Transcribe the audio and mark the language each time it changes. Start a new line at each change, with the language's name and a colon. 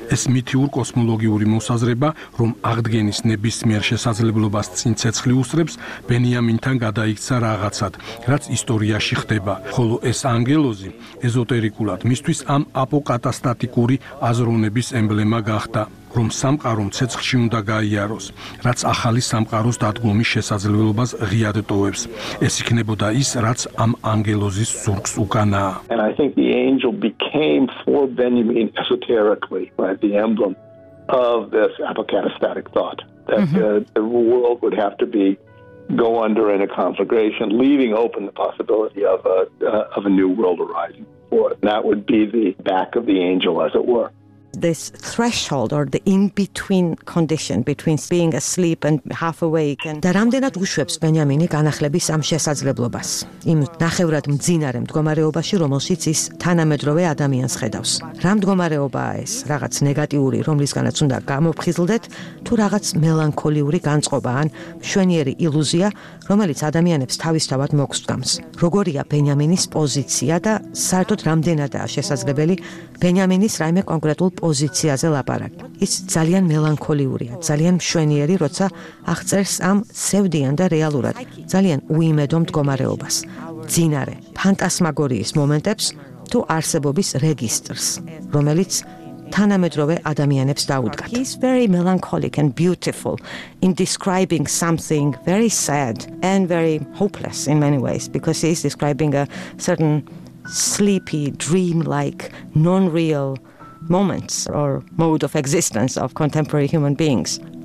Georgian: ეს მითიურ კოსმოლოგიური მოსაზრება, რომ აღდგენის ნებისმიერ შესაძლებლობას წინ ცეცხლი უსწრებს, ბენიამინთან გადაიქცა რაღაცად, რაც ისტორიაში ხდება, ხოლო ეს ანგელოზი ეზოტერიკულად მისთვის ამ აპოკატასტატიკური აზროვნების ემბლემა გახდა. რომ სამყარო ცეცხლში უნდა გაიაროს, რაც ახალი სამყაროს დადგომის შესაძლებლობას ღიად ტოვებს. ეს იქნებოდა ის, რაც ამ ანგელოზის ზურგს უკანაა.
English: And I think the angel became for Benjamin esoterically right, the emblem of this apocatastatic thought that the world would have to be go under in a conflagration leaving open the possibility of a new world arising. And that would be the back of the angel as it were. this threshold or the in-between condition between being asleep and half awake and
Georgian: დამდენად უშვებს ბენიამინი განახლების ამ შესაძლებლობას იმ ნახევრად მძინარე მდგომარეობაში რომელშიც ის თანამედროვე ადამიანს ხედავს რა მდგომარეობაა ეს რაღაც ნეგატიური რომლისგანაც უნდა გამოფხიზლდეთ თუ რაღაც მელანქოლიური განწყობა ან მშვენიერი ილუზია რომელიც ადამიანებს თავისთავად მოგსდგამს როგორია ბენიამინის პოზიცია და საერთოდ რამდენადაა შესაძლებელი ბენიამინის რაიმე კონკრეტულ პოზიციაზე ლაპარაკი ის ძალიან მელანქოლიურია ძალიან მშვენიერი როცა აღწერს ამ სევდიან და რეალურად ძალიან უიმედო მდგომარეობას ძინარე ფანტასმაგორიის მომენტებს თუ არსებობის რეგისტრს რომელიც თანამედროვე ადამიანებს დაუდგათ
English: He's very melancholic and beautiful in describing something very sad and very hopeless in many ways because he's describing a certain sleepy dreamlike non-real moments or mode of existence of contemporary human beings